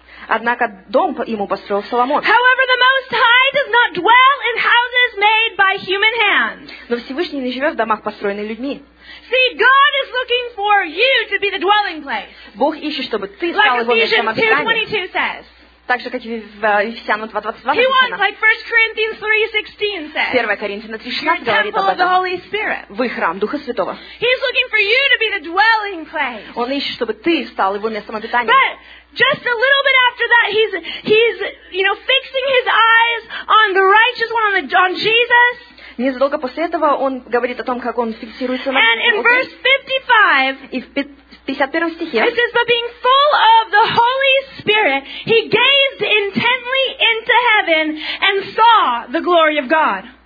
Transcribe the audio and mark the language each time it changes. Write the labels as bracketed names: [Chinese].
[Russian] Однако дом ему построил Соломон. [English] However, the Most High does not dwell in houses made by human hands. [Russian] Но Всевышний не живет в домах, построенных людьми. [English] See, God is looking for you to be the dwelling place. [Russian] Бог ищет, чтобы ты стал [English] like [Russian] его местом обитания. [English] Like Ephesians 2:22 says. [Russian] Так же, как и в Ефесянам 2.22 написано. [English] He wants, like 1 Corinthians 3.16 says. [Russian] 1 Corinthians 3.16 говорит об этом. [English] The Holy Spirit. [Russian] Вы храм Духа Святого. [English] He's looking for you to be the dwelling place. [Russian] Он ищет, чтобы ты стал его местом обитания. [English] But just a little bit after that, he's you know, fixing his eyes on the righteous one, on Jesus. [Russian] Незадолго после этого он говорит о том, как он фиксируется на Иисусе. [English] And in verse 55, [Russian] и в 55, 51 стихе. [English] It says, but being full of the Holy Spirit, he gazed intently into heaven and saw the glory of God.